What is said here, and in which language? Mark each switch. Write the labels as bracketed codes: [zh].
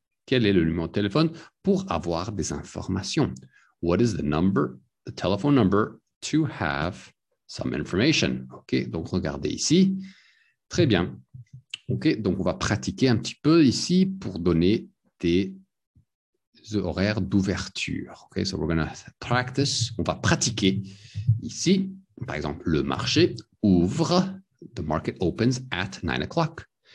[fr] Quel est le numéro de téléphone pour avoir des informations? [en] What is the number, the telephone number, to have some information? [fr] OK. Donc, regardez ici. Très bien. OK, donc on va pratiquer un petit peu ici pour donner des horaires d'ouverture. [en] OK, so we're going to practice. [fr] On va pratiquer ici. Par exemple, le marché ouvre. [en] The market opens at 9 o'clock.